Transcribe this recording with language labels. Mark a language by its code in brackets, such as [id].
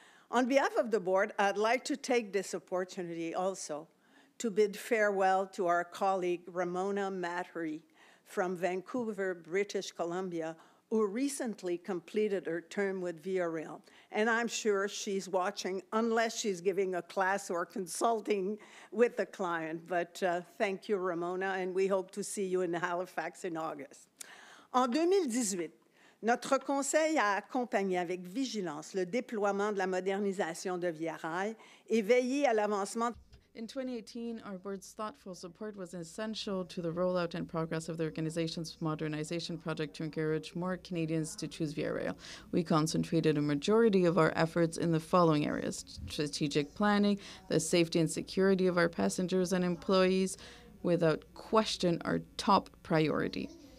[en] On behalf of the board, I'd like to take this opportunity also to bid farewell to our colleague Ramona Mattery from Vancouver, British Columbia, who recently completed her term with Via Rail. And I'm sure she's watching, unless she's giving a class or consulting with a client. But thank you, Ramona, and we hope to see you in Halifax in August. [fr] En 2018, notre conseil a accompagné avec vigilance le déploiement de la modernisation de Via Rail et veillé à l'avancement. [en] In 2018, our board's thoughtful support was essential to the rollout and progress of the organization's modernization project to encourage more Canadians to choose Via Rail. We concentrated a majority of our efforts in the following areas: strategic planning, the safety and security of our passengers and employees, without question, our top priority.